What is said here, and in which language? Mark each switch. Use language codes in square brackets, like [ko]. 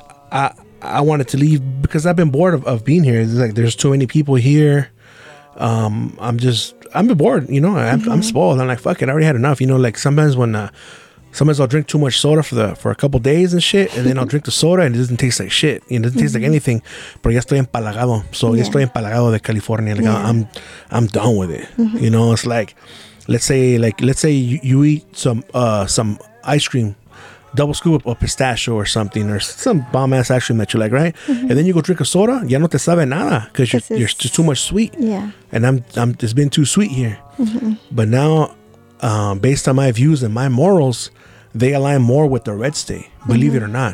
[en] I wanted to leave because I've been bored of being here. It's like there's too many people here. I'm bored, you know. Mm-hmm. I'm spoiled. I'm like, fuck it, I already had enough, you know. Like sometimes I'll drink too much soda for a couple days and shit, and then I'll drink the soda and it doesn't taste like shit, you know. It doesn't mm-hmm. taste like anything. [es] Pero ya estoy empalagado. [en] So yeah. [es] Ya estoy empalagado de California. [en] Like, yeah. I'm done with it. Mm-hmm. You know, it's like let's say you eat some ice cream, double scoop of pistachio or something, or some bomb ass ice cream that you like, right? Mm-hmm. And then you go drink a soda, [es] ya no te sabe nada, [en] because you're just too much sweet. Yeah. And I'm it's been too sweet here. Mm-hmm. But now, based on my views and my morals, they align more with the red state, believe mm-hmm. it or not.